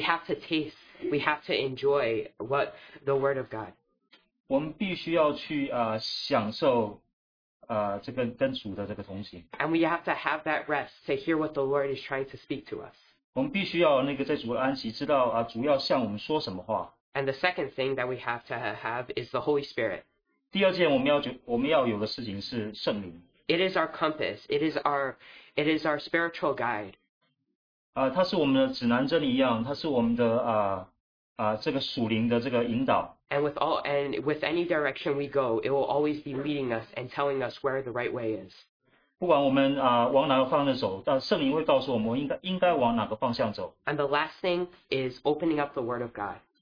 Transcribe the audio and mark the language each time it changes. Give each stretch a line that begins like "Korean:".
English: have to taste, we have to enjoy what the Word of God.
Chinese: 我们必须要去享受这个跟主的这个同行。
English: And we have to have that rest to hear what the Lord is trying to speak to us.
Chinese: 我们必须要在主的安息，知道主要向我们说什么话。
English: And the second thing that we have to have is the Holy Spirit.
Chinese: 第二件我们要有的事情是圣灵。
English: It is our compass. It is our spiritual guide.
Chinese: 它是我们的指南针一样，它是我们的这个属灵的这个引导。
English: And with any direction we go, it will always be leading us and telling us where the right way is.
Chinese: 不管我们往哪个方向走，圣灵会告诉我们应该往哪个方向走。
English: And the last thing is opening up the Word of God.